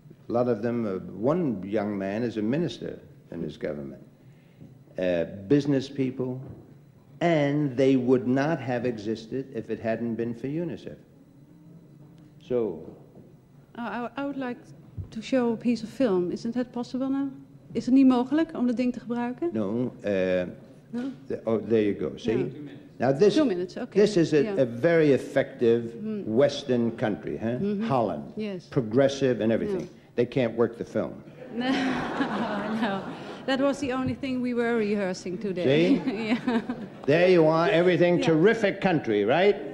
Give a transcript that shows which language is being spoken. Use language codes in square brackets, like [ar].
[en] A lot of them, one young man is a minister in his government, business people, and they would not have existed if it hadn't been for UNICEF. So. I would like to show a piece of film. Isn't that possible now? [nl] Is het niet mogelijk om dat ding te gebruiken? [en] No. There you go, see? Yeah. 2 minutes. Now this, 2 minutes, okay. This is a very effective Western country, huh? Mm-hmm. Holland. Yes. Progressive and everything. Yeah. They can't work the film. No, that was the only thing we were rehearsing today. See? Yeah. There you are, everything, yeah. Terrific country, right?